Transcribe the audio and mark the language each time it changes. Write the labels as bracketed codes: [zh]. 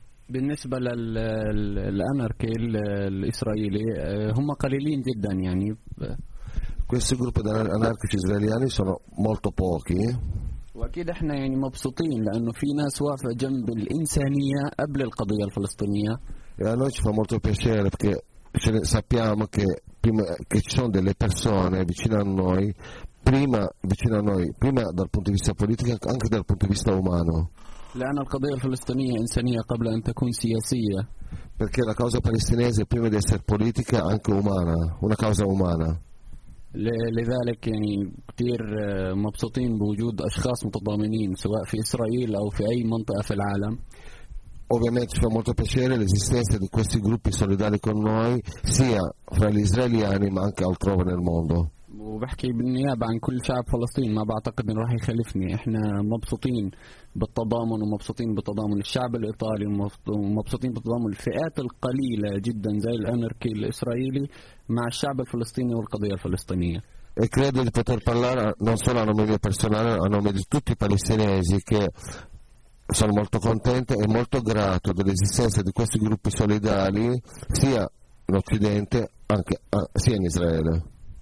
[ar] بالنسبة للأنارشي الإسرائيلي هم قليلين جدا يعني. [it] Questi gruppi anarchici israeliani sono molto pochi. [ar] واكيد احنا يعني مبسوطين لانه في ناس واقفه جنب الانسانيه قبل القضيه الفلسطينيه. [it] E a noi ci fa molto piacere perché sappiamo che prima che ci sono delle persone vicino a noi, prima dal punto di vista politico anche dal punto di vista umano. [ar] لان القضيه الفلسطينيه انسانيه قبل ان تكون سياسيه. [it] Perché la causa palestinese prima di essere politica anche umana, una causa umana. [ar] لذلك يعني كتير مبسوطين بوجود أشخاص متضامنين سواء في إسرائيل أو في أي منطقة في العالم. [it] Ovviamente fa molto piacere l'esistenza di questi gruppi solidali con noi sia fra gli israeliani ma anche altrove nel mondo. [ar] وبحكي بالنيابة عن كل شعب فلسطين ما بعتقد إنه راح يخلفني إحنا مبسوطين بالتضامن ومبسوطين بتضامن الشعب الإيطالي ومبسوطين بتضامن الفئات القليلة جدا زي الأنركي الإسرائيلي مع الشعب الفلسطيني والقضية الفلسطينية. [it] E credo di poter parlare non solo a nome mio personale, a nome di tutti i palestinesi, che sono molto contento e molto grato dell'esistenza di questi gruppi solidali sia in Occidente anche sia in Israele.